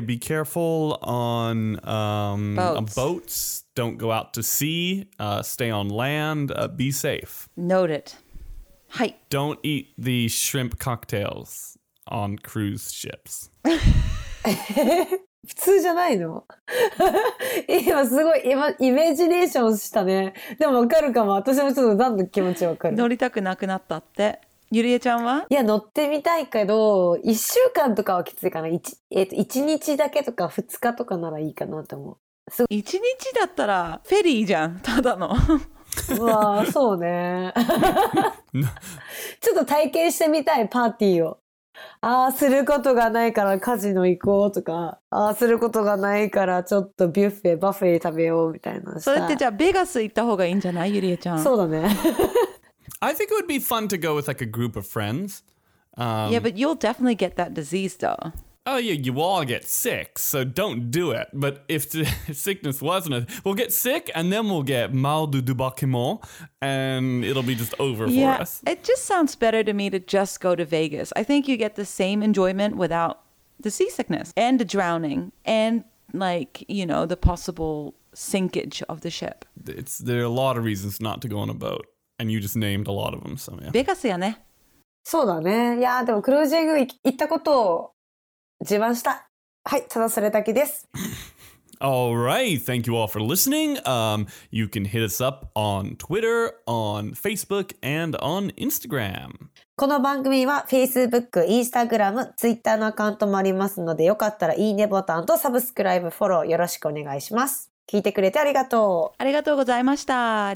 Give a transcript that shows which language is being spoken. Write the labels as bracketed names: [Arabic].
[English] Be careful on boats. Don't go out to sea. Stay on land. Be safe. Note it. はい。 Don't eat the shrimp cocktails on cruise ships. [Japanese] 普通じゃないの? 今すごい、イメージネーションしたね。でもわかるかも。私もちょっと何の気持ちわかる。乗りたくなくなったって。ゆりえちゃんは? いや、乗ってみたいけど、1週間とかはきついかな。 1日だけとか2日とかならいいかなと思う。すごい。 1日だったらフェリーじゃん、ただの。うわぁ、そうね。ちょっと体験してみたい、パーティーを。ああ、することがないからカジノ行こうとか、ああ、することがないからちょっとビュッフェ、バフェ食べようみたいな。それってじゃあベガス行った方がいいんじゃない?ゆりえちゃん。そうだね。 [English] I think it would be fun to go with like a group of friends. Yeah, but you'll definitely get that disease though. Oh, yeah, you all get sick, so don't do it. But if the sickness wasn't a... We'll get sick, and then we'll get mal du débarquement, and it'll be just over for us. It just sounds better to me to just go to Vegas. I think you get the same enjoyment without the seasickness and the drowning and, like, you know, the possible sinkage of the ship. There are a lot of reasons not to go on a boat, and you just named a lot of them, so yeah. Vegas, yeah, ne? [Japanese] そうだね。いやでもクルージング行ったことを自慢した。はい、ただそれだけです。 [English] All right. Thank you all for listening. You can hit us up on Twitter, on Facebook, and on Instagram. [Japanese] この番組は Facebook、Instagram、Twitter のアカウントもありますので、よかったらいいねボタンとサブスクライブフォローよろしくお願いします。聞いてくれてありがとう。ありがとうございました。